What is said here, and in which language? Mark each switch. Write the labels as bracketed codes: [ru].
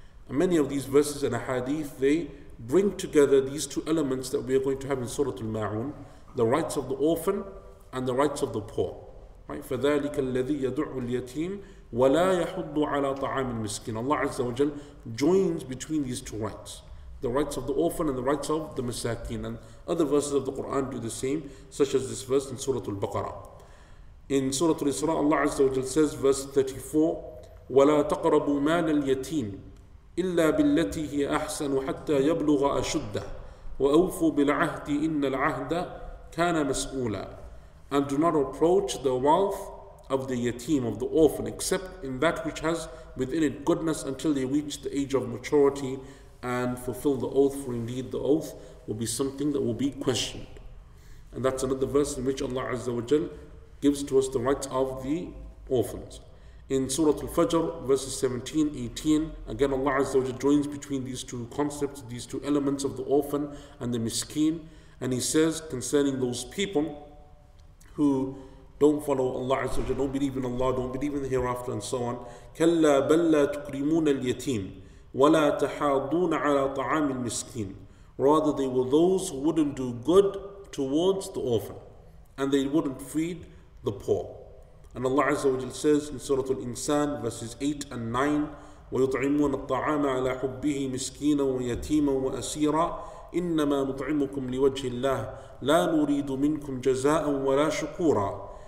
[en] And many of these verses and ahadith, they bring together these two elements that we are going to have in Surah Al-Ma'un, the rights of the orphan and the rights of the poor, right? [ar] فَذَٰلِكَ الَّذِي يَدُعُّ الْيَتِيمِ وَلَا يَحُضُّ عَلَىٰ طَعَامٍ مِسْكِينَ. [en] Allah Azza wa Jal joins between these two rights, the rights of the orphan and the rights of the masakin. And other verses of the Quran do the same, such as this verse in Surah Al-Baqarah. In Surah Al-Isra, Allah Azza wa Jal says, verse 34, [ar] ولا تقربوا مال اليتيم إلا بالتي هي أحسن حتى يبلغ أشده وأوفوا بالعهد إن العهد كان مسؤولا. [en] And do not approach the wealth of the yatim, of the orphan, except in that which has within it goodness until they reach the age of maturity and fulfill the oath, for indeed the oath will be something that will be questioned. And that's another verse in which Allah Azza wa Jal gives to us the rights of the orphans. In Surah Al-Fajr, verses 17, 18, again Allah Azza wa Jalla joins between these two concepts, these two elements of the orphan and the miskeen, and he says concerning those people who don't follow Allah Azza wa Jalla, don't believe in Allah, don't believe in the hereafter, and so on. [ar] كلا بل لا تكرمون اليتيم ولا تحاضون على طعام المسكين. [en] Rather, they were those who wouldn't do good towards the orphan, and they wouldn't feed the poor. And Allah Azza wa Jal says in Surah Al-Insan, verses 8 and 9, [ar] وَيُطْعِمُونَ الطَّعَامَ عَلَىٰ حُبِّهِ مِسْكِينًا وَيَتِيمًا وَأَسِيرًا إِنَّمَا نُطْعِمُكُمْ لِوَجْهِ اللَّهِ لَا نُرِيدُ مِنْكُمْ جَزَاءً وَلَا شُكُورًا.